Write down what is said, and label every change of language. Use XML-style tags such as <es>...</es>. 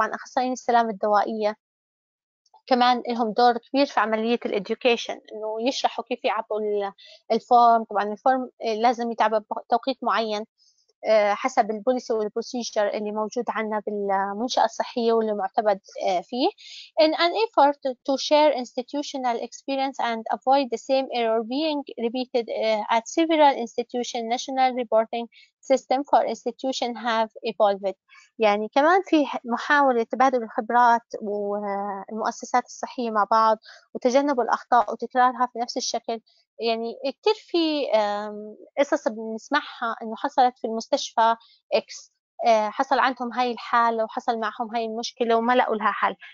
<ar>طبعا اخصائيين السلامة الدوائية كمان لهم دور كبير في عملية الإديوكيشن، إنه يشرحوا كيف يعبوا الفورم، طبعا الفورم لازم يتعب بتوقيت معين حسب البوليسي والبروسيجر اللي موجود عندنا بالمنشأة الصحية واللي معتمد فيه.</ar> <en>In an effort to share institutional experience and avoid the same error being repeated at several institutions, national reporting system for institution have evolved.</en> <ar>يعني كمان في محاولة تبادل الخبرات والمؤسسات الصحية مع بعض وتجنب الأخطاء وتكرارها في نفس الشكل. يعني كتير في قصص بنسمعها إنه حصلت في المستشفى إكس، حصل عندهم هاي الحالة وحصل معهم هاي المشكلة وما لقوا لها حل.</ar>